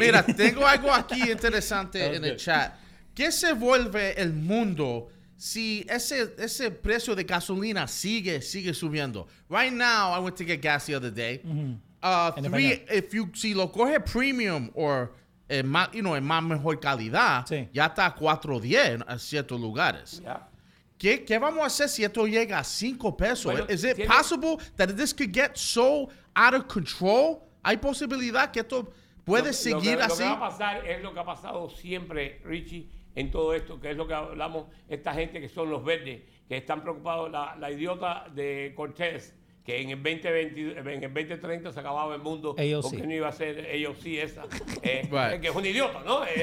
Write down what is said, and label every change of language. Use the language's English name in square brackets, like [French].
[Spanish] Mira, tengo algo aquí interesante en el chat. ¿Qué se vuelve el mundo si ese precio de gasolina sigue subiendo? [English] Right now, I went to get gas the other day. Mm-hmm. [Spanish] Si lo coge premium or más mejor calidad, ya está a $4.10 en ciertos lugares. [English] Yeah. [Spanish] ¿Qué vamos a hacer si esto llega a $5? [English] Bueno, possible that this could get so out of control? [Spanish] ¿Hay posibilidad que esto puede seguir así? Lo que va a pasar es lo que ha pasado siempre, Richie, en todo esto, que es lo que hablamos, esta gente que son los verdes, que están preocupados, la idiota de Cortés, que en el 2030 se acababa el mundo, AOC. Porque no iba a ser ellos sí esa, que es un idiota, ¿no?